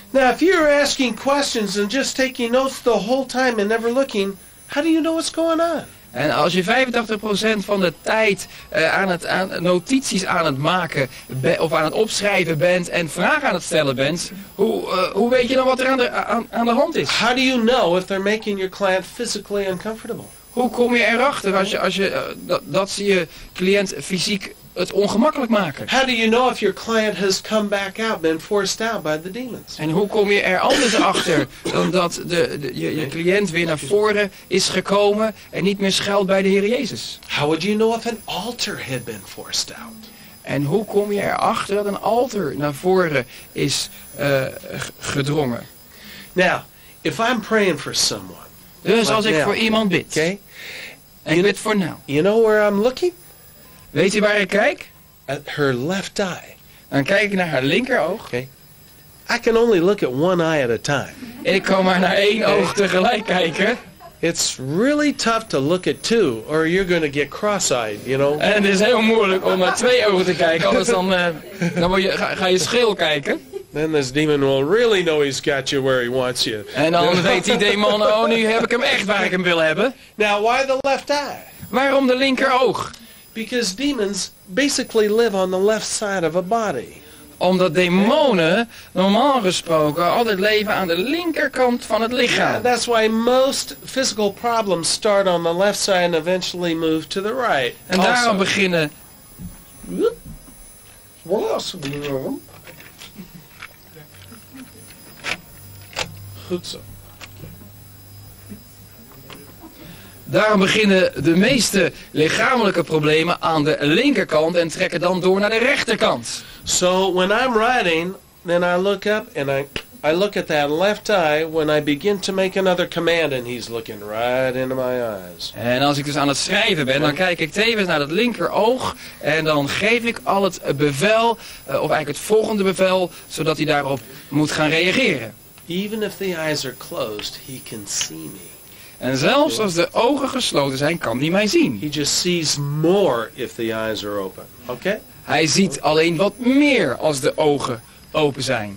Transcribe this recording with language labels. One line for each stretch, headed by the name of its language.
English: Now, if you're asking questions and just taking notes the whole time and never looking, how do you know what's going on?
Dutch: En als je 85% van de tijd aan notities aan het maken of aan het opschrijven bent en vragen aan het stellen bent, hoe weet je dan wat er aan de hand is?
English: How do you know if they're making your client physically uncomfortable?
Dutch: Hoe kom je erachter dat ze je cliënt fysiek het ongemakkelijk maken?
English: How do you know if your client has come back out, been forced out by the demons?
Dutch: En hoe kom je er anders achter dan dat je cliënt weer naar voren is gekomen en niet meer schuilt bij de Heer Jezus?
English: How would you know if an altar had been forced out?
Dutch: En hoe kom je erachter dat een altar naar voren is gedrongen?
English: Now, if I'm praying for someone.
Dutch: Dus als ik voor iemand bid,
English: okay.
Dutch: En ik bid voor nou.
English: You know where I'm looking?
Dutch: Weet je waar ik kijk?
English: At her left eye.
Dutch: Dan kijk ik naar haar linkeroog.
English: Okay. I can only look at one eye at a time.
Dutch: Ik kan maar naar één oog tegelijk kijken.
English: It's really tough to look at two, or you're going to get cross-eyed, you know.
Dutch: En het is heel moeilijk om naar twee ogen te kijken, anders dan ga je scheel kijken.
English: Then this demon will really know he's got you where he wants you.
Dutch: En dan weet die demon, oh, nu heb ik hem echt waar ik hem wil hebben.
English: Now, why the left eye?
Dutch: Waarom de linker oog?
English: Because demons basically live on the left side of a body.
Dutch: Omdat demonen normaal gesproken altijd leven aan de linkerkant van het lichaam.
English: Yeah, that's why most physical problems start on the left side and eventually move to the right.
Dutch: En
English: also.
Dutch: Daarom beginnen. Was bloem. Goed zo. Daarom beginnen de meeste lichamelijke problemen aan de linkerkant en trekken dan door naar de rechterkant.
English: So when I'm writing, then I look up and I look at that left eye when I begin to make another command and he's looking right into my eyes.
Dutch: En als ik dus aan het schrijven ben, dan kijk ik tevens naar dat linker oog en dan geef ik al het bevel, of eigenlijk het volgende bevel, zodat hij daarop moet gaan reageren.
English: Even if the eyes are closed, he can see me.
Dutch: En zelfs als de ogen gesloten zijn, kan hij mij zien.
English: He just sees more if the eyes are open. Okay?
Dutch: Hij ziet alleen wat meer als de ogen open zijn.